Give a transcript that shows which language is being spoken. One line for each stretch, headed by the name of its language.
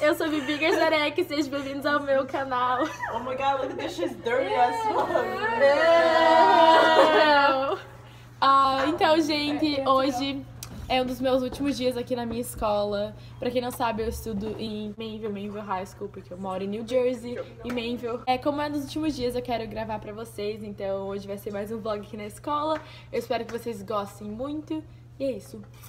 Portuguese: Eu sou Vivi Garzarek, sejam bem-vindos ao meu canal.
English: Oh my god, look at this, she's dirty as fuck.
Portuguese: Então, gente, hoje é um dos meus últimos dias aqui na minha escola. Pra quem não sabe, eu estudo em Mainville High School, porque eu moro em New Jersey, em Mainville. É, como é um dos últimos dias, eu quero gravar pra vocês, então hoje vai ser mais um vlog aqui na escola. Eu espero que vocês gostem muito, e é isso.